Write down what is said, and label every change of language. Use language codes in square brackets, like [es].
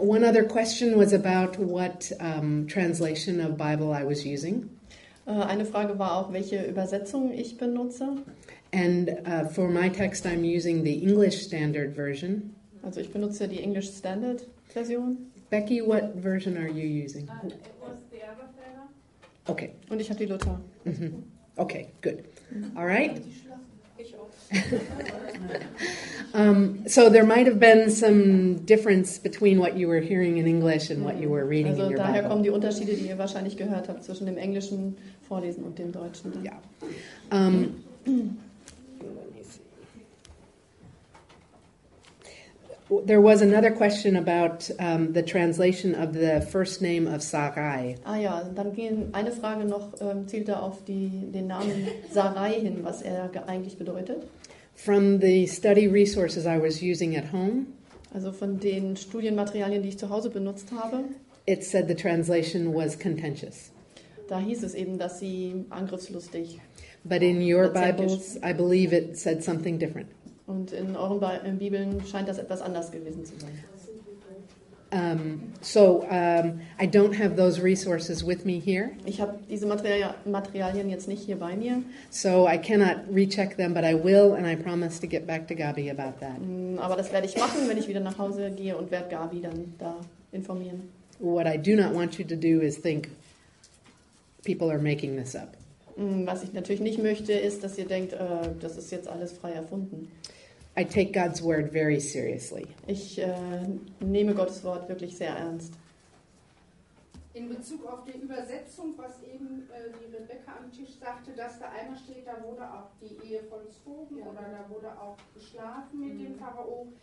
[en] One other question was about what translation of Bible I was using. [de] Eine Frage war auch, welche Übersetzung ich benutze. [en] And for my text, I'm using the English Standard Version. [de] Also ich benutze die English Standard Version. [en] Becky, what version are you using? It was the Elberfelder. Okay. [de] Und ich habe die Luther. [en] Mm-hmm. Okay, good. All right. So there might have been some difference between what you were hearing in English and what you were reading [de] also [en] in your Bible. [de] Also daher kommen die Unterschiede, die ihr wahrscheinlich gehört habt, zwischen dem englischen Vorlesen und dem deutschen. Ja. Yeah. [en] There was another question about the translation of the first name of Sarai. [de] Ah ja, dann ging eine Frage noch, zielte auf den Namen Sarai hin, was er eigentlich bedeutet. [en] From the study resources I was using at home. [de] Also von den Studienmaterialien, die ich zu Hause benutzt habe. [en] It said the translation was contentious. [de] Da hieß es eben, dass sie angriffslustig. [en] But in your Bibles, I believe it said something different. [de] Und in euren Bibeln scheint das etwas anders gewesen zu sein. [en] I don't have those resources with me here. [de] Ich habe diese Materialien jetzt nicht hier bei mir. [en] So I cannot recheck them, but I will and I promise to get back to Gabi about that. [de] Aber das werde ich machen, wenn ich wieder nach Hause gehe und werde Gabi dann da informieren. [en] What I do not want you to do is think people are making this up. [de] Was ich natürlich nicht möchte, ist, dass ihr denkt, das ist jetzt alles frei erfunden. [en] I take God's word very seriously. [de] Ich nehme Gottes Wort wirklich sehr ernst. In Bezug auf die Übersetzung, was eben die Rebecca am Tisch sagte, dass da einmal steht, da wurde auch die Ehe vollzogen oder da wurde auch geschlafen mit dem Pharao.